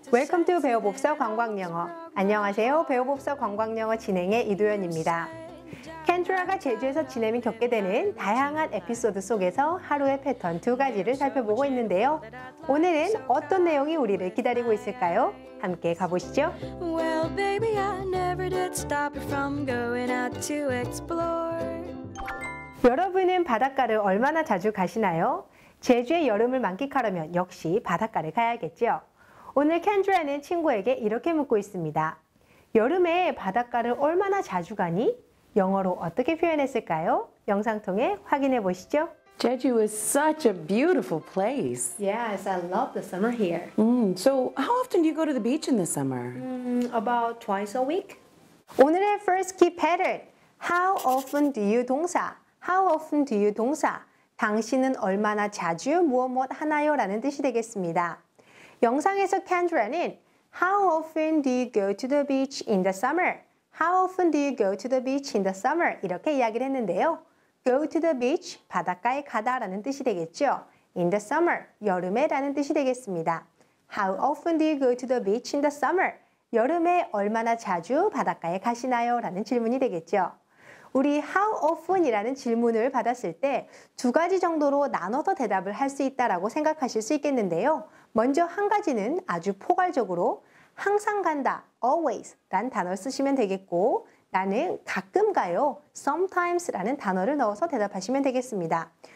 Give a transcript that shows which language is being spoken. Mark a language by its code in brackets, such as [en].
[en] Welcome to [ko] 배워봅서 관광영어. 안녕하세요. 배워봅서 관광영어 진행의 이도현입니다. 켄트라가 제주에서 지내면 겪게 되는 다양한 에피소드 속에서 하루의 패턴 두 가지를 살펴보고 있는데요. 오늘은 어떤 내용이 우리를 기다리고 있을까요? 함께 가보시죠. [en] Well, baby, I never did stop from going out to explore. [ko] 여러분은 바닷가를 얼마나 자주 가시나요? 제주의 여름을 만끽하려면 역시 바닷가를 가야겠죠. 오늘 켄트라는 친구에게 이렇게 묻고 있습니다. 여름에 바닷가를 얼마나 자주 가니? 영어로 어떻게 표현했을까요? 영상 통해 확인해 보시죠. [en] Jeju is such a beautiful place. Yes, I love the summer here. So how often do you go to the beach in the summer? About twice a week. [ko] 오늘의 [en] first key pattern. How often do you 동사? How often do you 동사? [ko] 당신은 얼마나 자주 무엇 하나요? 라는 뜻이 되겠습니다. 영상에서 [en] Kendra는 How often do you go to the beach in the summer? How often do you go to the beach in the summer? [ko] 이렇게 이야기를 했는데요. [en] Go to the beach, [ko] 바닷가에 가다 라는 뜻이 되겠죠. [en] In the summer, [ko] 여름에 라는 뜻이 되겠습니다. [en] How often do you go to the beach in the summer? [ko] 여름에 얼마나 자주 바닷가에 가시나요? 라는 질문이 되겠죠. 우리 how often 이라는 질문을 받았을 때 두 가지 정도로 나눠서 대답을 할 수 있다라고 생각하실 수 있겠는데요. 먼저 한 가지는 아주 포괄적으로 항상 간다, always 라는 단어를 쓰시면 되겠고 나는 가끔 가요, sometimes 라는 단어를 넣어서 대답하시면 되겠습니다.